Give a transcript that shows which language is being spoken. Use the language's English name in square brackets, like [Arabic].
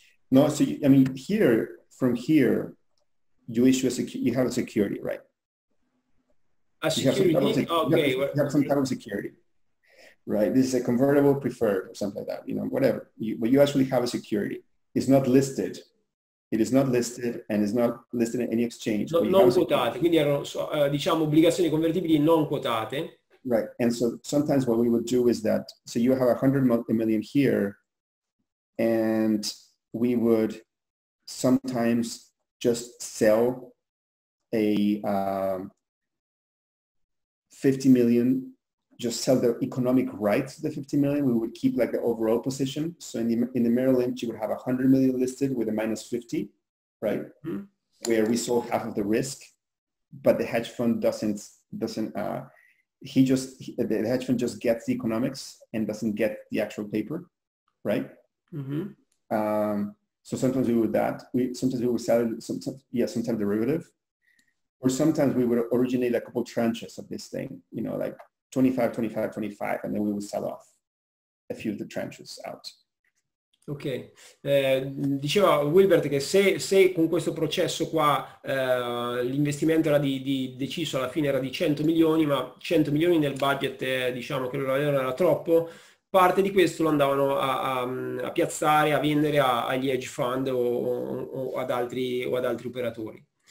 [English] No, so you, I mean, here, from here, you issue you have a security, right? A security? Okay. You have some type of security, right? This is a convertible preferred or something like that, you know, whatever. But you actually have a security. It's not listed. It is not listed and is not listed in any exchange. [Italian] No, non quotate, quindi erano, diciamo, obbligazioni convertibili non quotate. [English] Right, and so sometimes what we would do is that, so you have $100 million here, and we would sometimes just sell a 50 million, just sell the economic rights to the 50 million. We would keep like the overall position. So in the Merrill Lynch, you would have 100 million listed with a minus 50, right? Mm-hmm. Where we sold half of the risk, but the hedge fund the hedge fund just gets the economics and doesn't get the actual paper, right? Mm-hmm. So sometimes we would sell derivative, or sometimes we would originate a couple tranches of this thing, you know, like 25, 25, 25, and then we will sell off a few of the tranches out. [Italian] Ok, diceva Wilbert che se con questo processo qua l'investimento era di deciso alla fine era di 100 milioni, ma 100 milioni nel budget, diciamo che loro avevano era troppo, parte di questo lo andavano a piazzare, a vendere agli hedge fund o ad altri operatori.